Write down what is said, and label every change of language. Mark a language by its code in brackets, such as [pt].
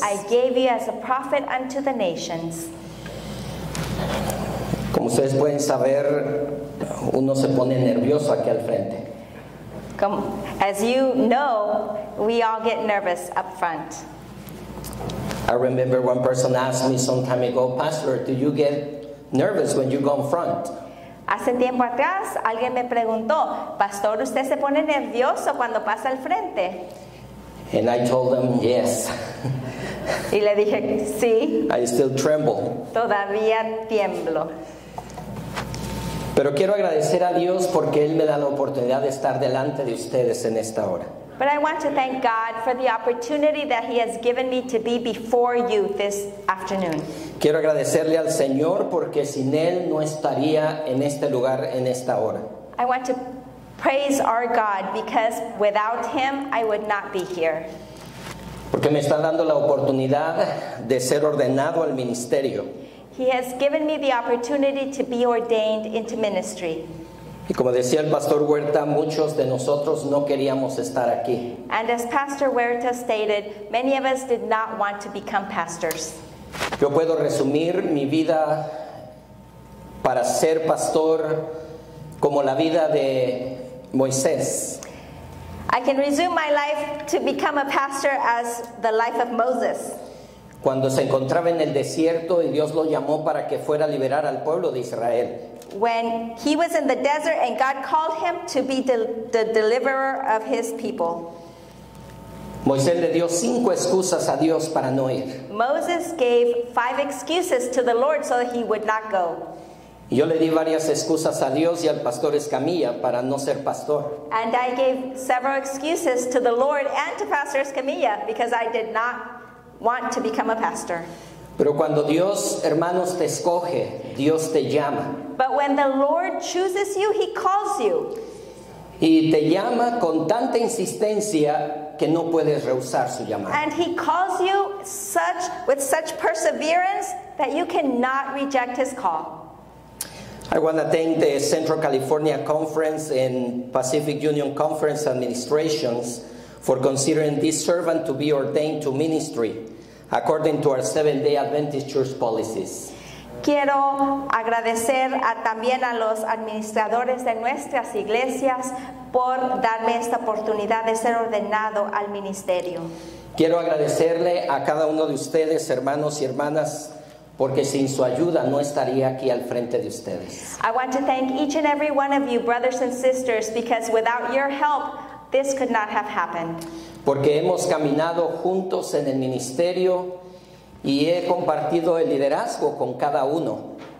[en] I gave you as a prophet unto the nations. [es] Como ustedes pueden saber, uno se pone nervioso aquí al frente. [en] Come, as you know, we all get nervous up front. I remember one person asked me some time ago, Pastor, do you get nervous when you go in front? [es] Hace tiempo atrás, alguien me preguntó, Pastor, ¿usted se pone nervioso cuando pasa al frente? [en] And I told them, yes. [es] Y le dije, sí. [en] I still tremble. [es] Todavía tiemblo. Pero quiero agradecer a Dios porque Él me da la oportunidad de estar delante de ustedes en esta hora. [en] But I want to thank God for the opportunity that He has given me to be before you this afternoon. [es] Quiero agradecerle al Señor porque sin Él no estaría en este lugar en esta hora. [en] I want to praise our God because without Him I would not be here. [es] Porque me está dando la oportunidad de ser ordenado al ministerio. [en] He has given me the opportunity to be ordained into ministry. [es] Y como decía el Pastor Huerta, muchos de nosotros no queríamos estar aquí. [en] And as Pastor Huerta stated, many of us did not want to become pastors. [es] Yo puedo resumir mi vida para ser pastor como la vida de Moisés. [en] I can resume my life to become a pastor as the life of Moses. [es] Cuando se encontraba en el desierto y Dios lo llamó para que fuera a liberar al pueblo de Israel. [en] When he was in the desert and God called him to be the deliverer of his people. [es] Moisés le dio cinco excusas a Dios para no ir. [en] Moses gave five excuses to the Lord so that he would not go. [es] Yo le di varias excusas a Dios y al Pastor Escamilla para no ser pastor. [en] And I gave several excuses to the Lord and to Pastor Escamilla because I did not want to become a pastor. [es] Pero cuando Dios, hermanos, te escoge, Dios te llama. [en] But when the Lord chooses you, He calls you. [es] Y te llama con tanta insistencia que no puedes rehusar su llamada. [en] And He calls you with such perseverance that you cannot reject His call. I want to thank the Central California Conference and Pacific Union Conference Administrations for considering this servant to be ordained to ministry according to our Seventh-day Adventist Church policies. [es] Quiero agradecer también a los administradores de nuestras iglesias por darme esta oportunidad de ser ordenado al ministerio. Quiero agradecerle a cada uno de ustedes, hermanos y hermanas, porque sin su ayuda no estaría aquí al frente de ustedes. [en] I want to thank each and every one of you, brothers and sisters, because without your help, this could not have happened. [es] Porque hemos caminado juntos en el ministerio y he compartido el liderazgo con cada uno.